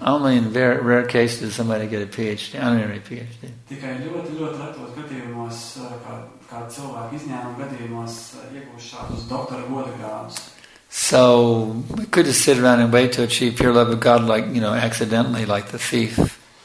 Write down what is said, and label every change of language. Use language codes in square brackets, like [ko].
[en] Only in rare cases does somebody get a PhD, honorary PhD. [lv] Tikai ļoti, ļoti retos gadījumos, kā cilvēku izņēmumu gadījumos, iegūst šādus doktora goda grādus. [en] So we could just sit around and wait to achieve pure love of God, like, you know, accidentally, like the thief.